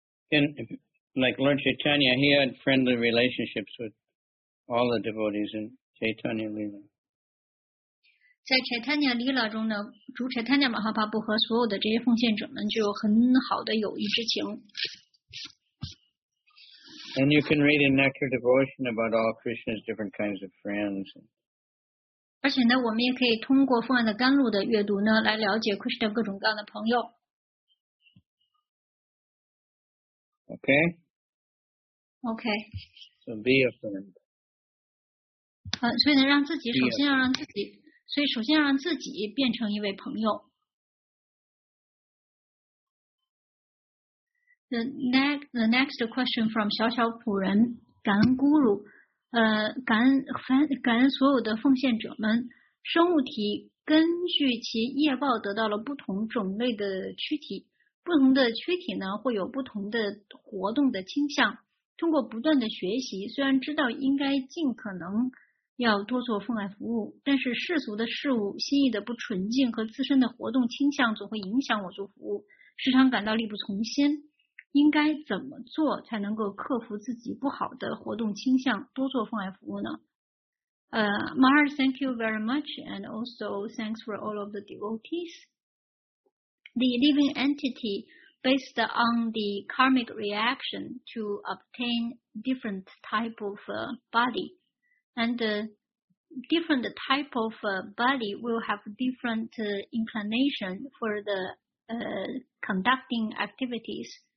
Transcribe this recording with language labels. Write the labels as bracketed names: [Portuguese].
[English] And like Lord Chaitanya, he had friendly relationships with all the devotees in Chaitanya Lila. [Chinese] 在 Chaitanya Lila 中呢，主 Chaitanya Mahaprabhu 和所有的这些奉献者们就有很好的友谊之情。 [English] And you can read in Nectar Devotion about all Krishna's different kinds of friends. [Chinese] 而且呢，我们也可以通过奉献的甘露的阅读呢，来了解 Krishna 各种各样的朋友。 [English] Okay. Okay. So be a friend. [Chinese] 所以呢，让自己首先要让自己。所以首先让自己变成一位朋友。 [English] The next question from [Chinese] 小小仆人，感恩咕噜，感恩所有的奉献者们。生物体根据其业报得到了不同种类的躯体，不同的躯体呢会有不同的活动的倾向。通过不断的学习，虽然知道应该尽可能要多做奉爱服务，但是世俗的事物、心意的不纯净和自身的活动倾向总会影响我做服务，时常感到力不从心。应该怎么做才能够克服自己不好的活动倾向，多做奉爱服务呢？ [English] Mahar, thank you very much, and also thanks for all of the devotees. The living entity based on the karmic reaction to obtain different type of body. And different type of body will have different inclination for the conducting activities.